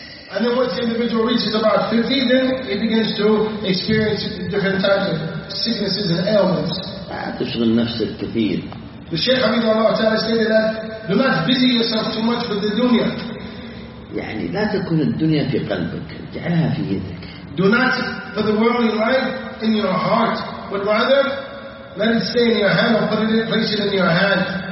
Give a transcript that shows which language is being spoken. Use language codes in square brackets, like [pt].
[en] And then once the individual reaches about 50, then he begins to experience different types of sicknesses and ailments. [ar] تشغل نفسك كثير. [en] The Shaykh Abid Allah Ta'ala stated that do not busy yourself too much with the dunya. [ar] يعني لا تكون الدنيا في قلبك. اجعلها في يدك. [en] Do not put the worldly life in your heart, but rather let it stay in your hand or place it in your hand.